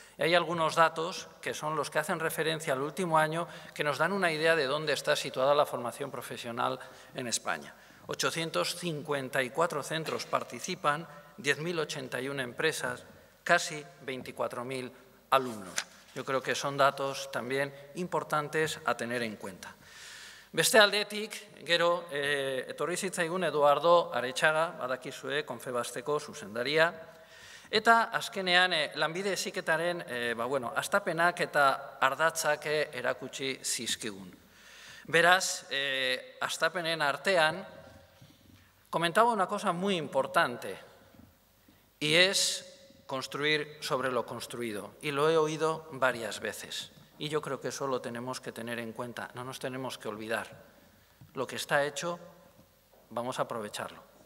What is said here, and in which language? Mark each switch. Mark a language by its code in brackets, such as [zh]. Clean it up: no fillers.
[es] Hay algunos datos que son los que hacen referencia al último año que nos dan una idea de dónde está situada la formación profesional en España. 854 centros participan, 10.081 empresas, casi 24.000 alumnos. Yo creo que son datos también importantes a tener en cuenta. [eu] Beste aldetik, gero, etorri zitzaigun Eduardo Aretxaga, badakizue, Confebasteko zuzendaria, eta azkenean lanbide heziketaren, ba, bueno, astapenak eta ardatzak erakutsi zizkigun. Beraz, astapenen artean, [es] comentaba una cosa muy importante, y es construir sobre lo construido. Y lo he oído varias veces. Y yo creo que eso lo tenemos que tener en cuenta. No nos tenemos que olvidar. Lo que está hecho, vamos a aprovecharlo.